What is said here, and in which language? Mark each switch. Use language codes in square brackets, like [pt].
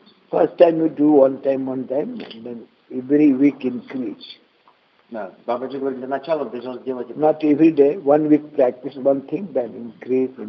[en] First time you do one time, and then every week increase. [ru] Да, Бабаджи говорит, для начала должен сделать это. [en] Not every day, one week practice, one thing, then increase.